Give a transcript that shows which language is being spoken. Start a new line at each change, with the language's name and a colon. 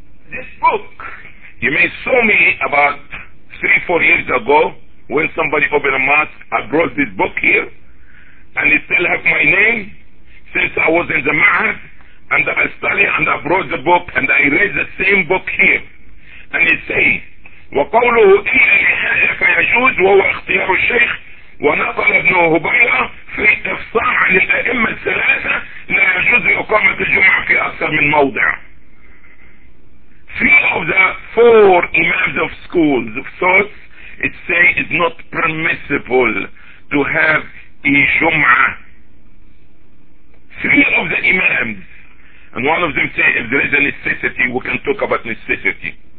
English: This book, you may saw me about 3-4 years ago when somebody opened a mosque. I brought this book here and it still has my name since I was in the Ma'ad, and I studied and I brought the book and I read the same book here. And it says,
Arabic: وقوله إلى الحاجة فيجوز وهو اختيار الشيخ. ونقل ابن هبيرة في إفصاح عن الأئمة الثلاثة لا يجوز إقامة الجمعة في أكثر من موضع.
English: Three of the four imams of schools of thought, it say it's not permissible to have a جمعة. Three of the imams, And one of them say, if there is a necessity, we can talk about necessity.